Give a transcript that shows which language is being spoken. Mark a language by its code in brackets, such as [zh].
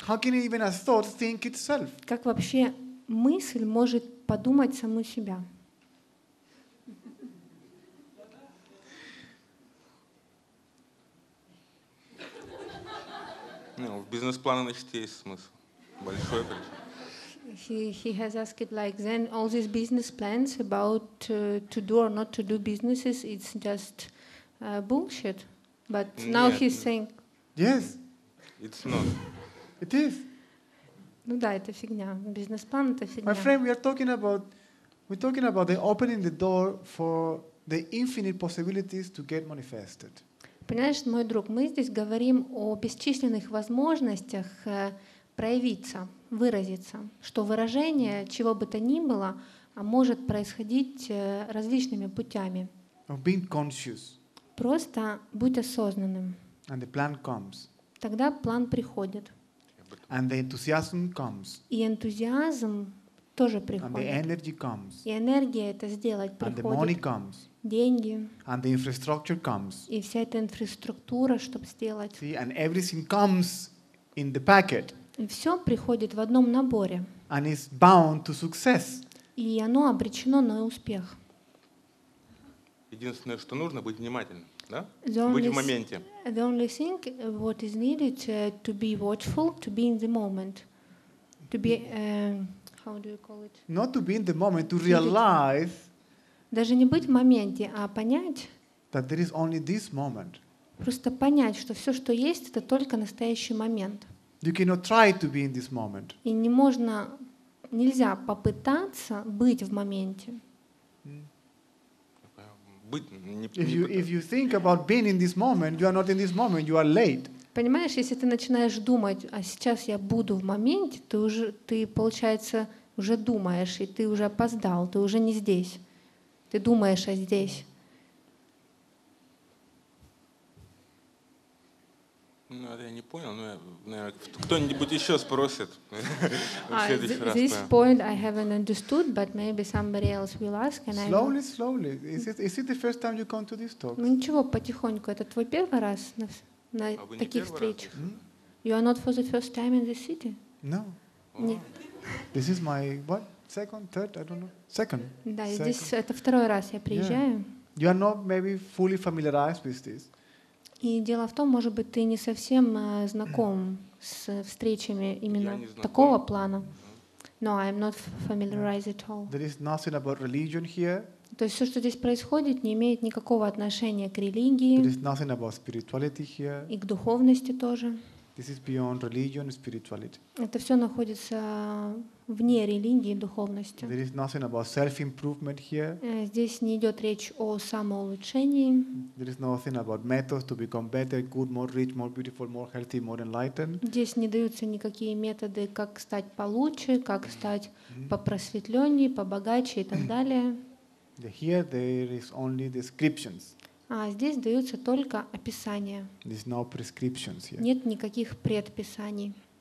[en] How can even a thought think itself? [ru] Как вообще мысль может подумать саму себя? Ну, в бизнес-плане, значит, есть смысл. Большой причин. [en] He has asked it like, then all these business plans about to do or not to do businesses, it's just bullshit. But now he's saying... Yes. It's not. It is. [ru] Ну да, это фигня. Бизнес-план — это фигня. [en] My friend, we're talking about the opening the door for the infinite possibilities to get manifested. [ru] Понимаешь, мой друг, мы здесь говорим о бесчисленных возможностях проявиться, выразиться, что выражение чего бы то ни было может происходить различными путями. [en] Of being conscious. [ru] Просто будь осознанным. [en] And the plan comes. [ru] Тогда план приходит. [en] And the enthusiasm comes. [ru] И энтузиазм тоже приходит. [en] And the energy comes. [ru] И энергия это сделать приходит. [en] And the money comes. [ru] Деньги. [en] And the infrastructure comes. [ru] И вся эта инфраструктура, чтобы сделать. [en] See, and everything comes in the packet. [ru] И все приходит в одном наборе. [en] And it's bound to success. [ru] И оно обречено на успех. Единственное, что нужно, быть внимательным. Да? Быть в моменте. [en] The only thing what is needed to be watchful, to be in the moment. To be how do you call it? Not to be in the moment, to realize. [ru] Даже не быть в моменте, а понять. [en] That there is only this moment. [ru] Просто понять, что все, что есть, это только настоящий момент. [en] You cannot try to be in this moment. [ru] И не можно, нельзя попытаться быть в моменте. [en] If you think about being in this moment, you are not in this moment. You are late. [ru] Понимаешь, если ты начинаешь думать, а сейчас я буду в моменте, ты получается уже думаешь и ты уже опоздал, ты уже не здесь. Ты думаешь, а здесь. Ну, я не понял, но, наверное, кто-нибудь еще спросит. [en] This point I haven't understood, but maybe somebody else will ask. Slowly, slowly. Is it the first time you come to this talk? [ru] Ну ничего, потихоньку. Это твой первый раз на таких встречах? [en] You are not for the first time in this city? No. [ru] Нет. [en] This is my what? Second, third? I don't know. Second. [ru] Да, здесь это второй раз я приезжаю. [en] You are not maybe fully familiarized with this. [ru] И дело в том, может быть, ты не совсем знаком с встречами именно такого плана. [en] No, I'm not familiarized at all. There is nothing about religion here. [ru] То есть все, что здесь происходит, не имеет никакого отношения к религии. [en] There is nothing about spirituality here. [ru] И к духовности тоже. [en] This is beyond religion and spirituality. [ru] Это все находится вне религии и духовности. [en] There is nothing about self-improvement here. [ru] Здесь не идет речь о самоулучшении. [en] There is nothing about methods to become better, good, more rich, more beautiful, more healthy, more enlightened. [ru] Здесь не даются никакие методы, как стать получше, как стать попросветленнее, побогаче и так далее. [en] Here there is only descriptions. [ru] А здесь даются только описания. [en] There's no prescriptions here. [ru] Нет никаких предписаний.